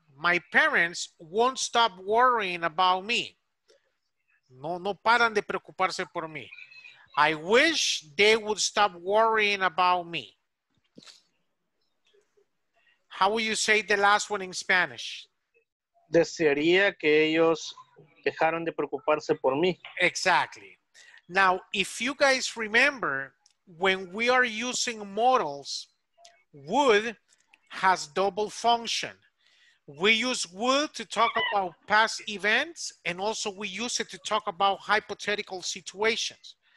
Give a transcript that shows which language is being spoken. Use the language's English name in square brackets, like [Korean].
[English] My parents won't stop worrying about me. [Spanish] No paran de preocuparse por mí. [English] I wish they would stop worrying about me. How will you say the last one in Spanish? [Spanish] Desearía que ellos dejaran de preocuparse por mí. [English] Exactly. Now, if you guys remember, when we are using modals, would has double function. We use would to talk about past events, and also we use it to talk about hypothetical situations.